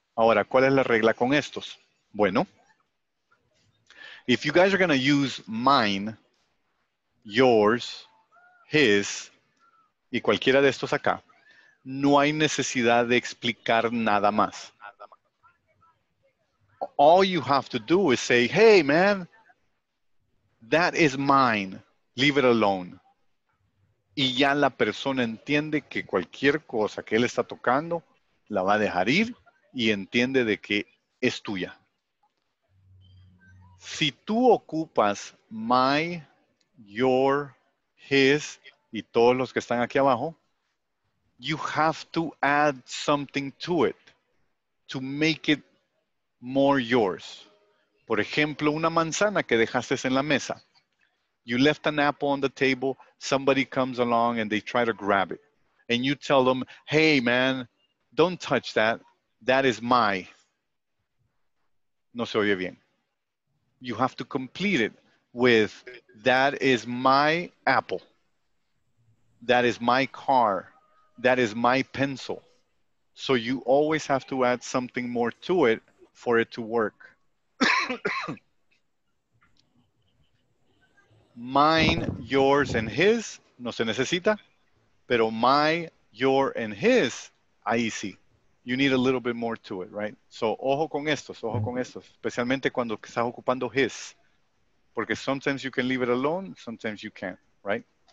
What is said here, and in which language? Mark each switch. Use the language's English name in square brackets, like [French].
[Spanish] Ahora, ¿cuál es la regla con estos? Bueno, [English] if you guys are going to use mine, yours, his, [Spanish] y cualquiera de estos acá, no hay necesidad de explicar nada más. [English] All you have to do is say, hey, man, that is mine. Leave it alone. [Spanish] Y ya la persona entiende que cualquier cosa que él está tocando, la va a dejar ir y entiende de que es tuya. Si tú ocupas my, your, his, y todos los que están aquí abajo, [English] you have to add something to it to make it more yours. [Spanish] Por ejemplo, una manzana que dejaste en la mesa. [English] You left an apple on the table, somebody comes along and they try to grab it. And you tell them, hey man, don't touch that, that is my. [Spanish] No se oye bien. [English] You have to complete it with, that is my apple. That is my car. That is my pencil. So you always have to add something more to it for it to work. [Spanish] Mine, yours, and his, no se necesita. Pero my, your, and his, ahí sí. [English] You need a little bit more to it, right? [Spanish] So, ojo con estos, especialmente cuando estás ocupando his. Porque [English] sometimes you can leave it alone, sometimes you can't, right?